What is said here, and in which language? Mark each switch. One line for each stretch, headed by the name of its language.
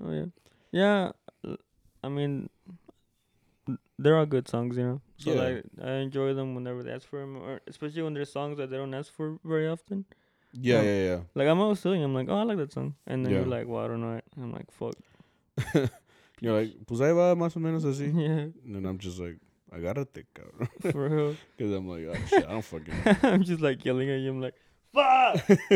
English: oh yeah. I mean, they're all good songs, you know. So yeah. Like I enjoy them whenever they ask for them, or especially when there's songs that they don't ask for very often. Yeah, yeah, yeah. Like I'm always singing, I'm like, oh, I like that song, and then you're like, well, I don't know it. I'm like, fuck. You're like,
Spanish: pues ahí va más o menos así.
English: Yeah. And then I'm just like,
Spanish: agárrate, cabrón.
English: For real. Because I'm like, oh shit, I don't fucking know. I'm just like yelling at you. I'm like, fuck.